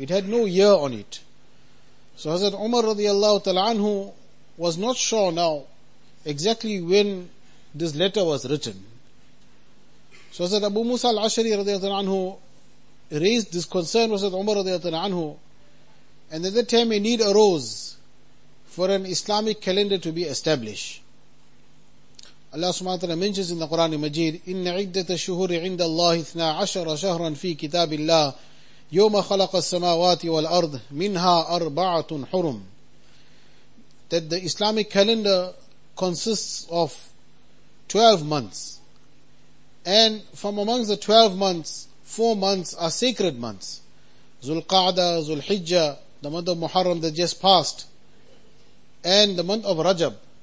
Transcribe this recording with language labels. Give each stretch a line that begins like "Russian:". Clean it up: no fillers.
English: It had no year on it. So Hazrat Umar radiallahu ta'ala anhu was not sure now exactly when this letter was written. So Hazrat Abu Musa al-Ashri radiallahu anhu raised this concern with Hazrat Umar radiallahu anhu, and at that time a need arose for an Islamic calendar to be established. Allah subhanahu wa ta'ala mentions in the Quran Majid,
Arabic: إِنَّ عِدَّةَ الشُّهُورِ عِنْدَ اللَّهِ 12 شَهْرًا فِي كِتَابِ اللَّهِ يَوْمَ خَلَقَ السَّمَاوَاتِ وَالْأَرْضِ مِنْهَا أَرْبَعَةٌ حُرُمٌ.
English: That the Islamic calendar consists of 12 months, and from amongst the 12 months, 4 months are sacred months. Zulqa'dah, Zulhijjah, the month of Muharram that just passed, and the month of Rajab.